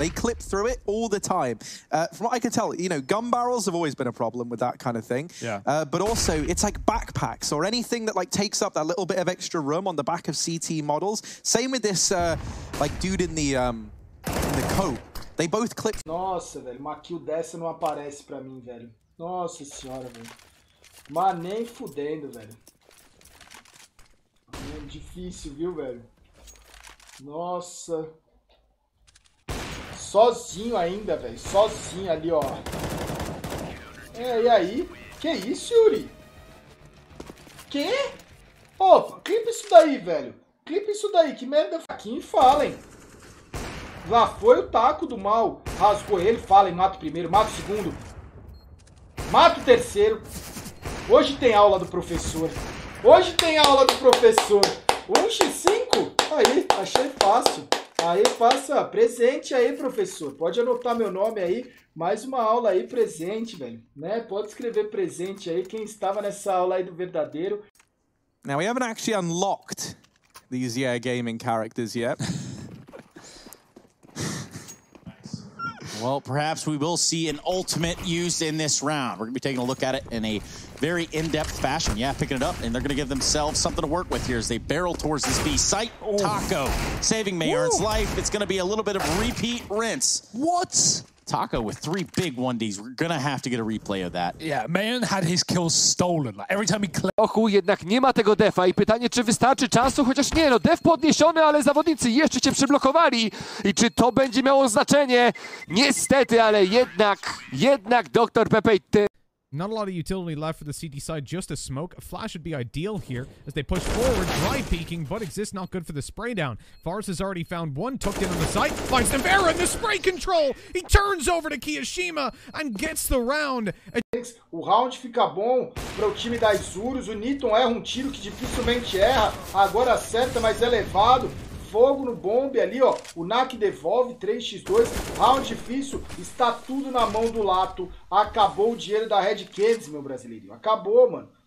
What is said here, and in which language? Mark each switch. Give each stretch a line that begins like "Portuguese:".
English: They clip through it all the time. From what I can tell, you know, gun barrels have always been a problem with that kind of thing. Yeah. But also, it's like backpacks or anything that like takes up that little bit of extra room on the back of CT models. Same with this like dude in the coat. They both clip.
Portuguese: Nossa, velho, uma kill dessa não aparece pra mim, velho. Nossa senhora, velho. Mas nem fudendo, velho. É difícil, viu, velho? Nossa. Sozinho ainda, velho. Sozinho ali, ó. É, e aí? Que isso, yuurih? Quê? Ô, clipa isso daí, velho. Clipa isso daí. Que merda. Faquinho e Fallen. Lá foi o taco do mal. Rasgou ele. Fallen, mata o primeiro. Mata o segundo. Mata o terceiro. Hoje tem aula do professor. Hoje tem aula do professor. 1x5? Aí, achei fácil. Aí, faça presente aí, professor. Pode anotar meu nome aí. Mais uma aula aí, presente, velho. Né? Pode escrever presente aí quem estava nessa aula aí do verdadeiro.
English: Now, we haven't actually unlocked these yeah, gaming characters yet. Well, perhaps we will see an ultimate used in this round. We're going to be taking a look at it in a very in-depth fashion. Yeah, picking it up, and they're going to give themselves something to work with here as they barrel towards this B site. Taco saving Mayard's life. It's going to be a little bit of repeat rinse. What? Taco with three big 1Ds. We're going to have to get a replay of that. Yeah, Mayard had his kills stolen. Like, every time he clicked.
Polish: Oku, jednak nie ma tego defa i pytanie, czy wystarczy czasu, chociaż nie, no def podniesiony, ale zawodnicy jeszcze cię przyblokowali i czy to będzie miało znaczenie? Niestety, ale jednak, jednak doktor Pepe, ty...
English: Not a lot of utility left for the CT side, just a smoke. A flash would be ideal here as they push forward, dry peeking, but exists not good for the spray down. Forrest has already found one, tucked in on the site, finds Nevera in the spray control! He turns over to Kiyoshima and gets the round.
Portuguese: O round fica bom para o time da Isurus. O Niton erra um tiro que dificilmente erra, agora acerta, mas é levado. Fogo no bombe ali, ó. O NAC devolve 3x2. Round difícil. Está tudo na mão do Lato. Acabou o dinheiro da Red Candies, meu brasileirinho. Acabou, mano.